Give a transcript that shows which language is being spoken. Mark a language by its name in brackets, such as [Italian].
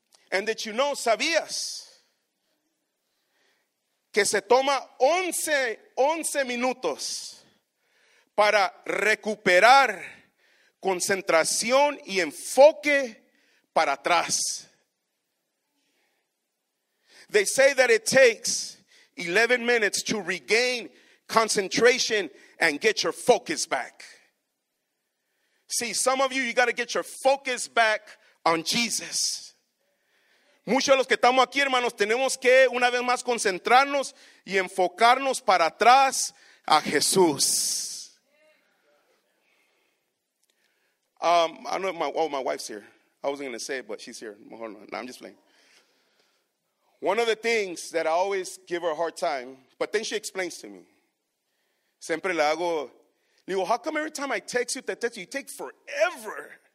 [English] And that you know, [Spanish] sabías que se toma 11 minutos para recuperar concentración y enfoque para atrás. [English] They say that it takes 11 minutes to regain concentration and get your focus back. See, some of you, you got to get your focus back on Jesus. [Spanish] Muchos de los que estamos aquí, hermanos, tenemos que una vez más concentrarnos y enfocarnos para atrás a Jesús. [English] I know my wife's here. I wasn't going to say it, but she's here. No, I'm just playing. One of the things that I always give her a hard time, but then she explains to me. [Spanish] Siempre le hago, le digo, [English] how come every time I text you, you take forever?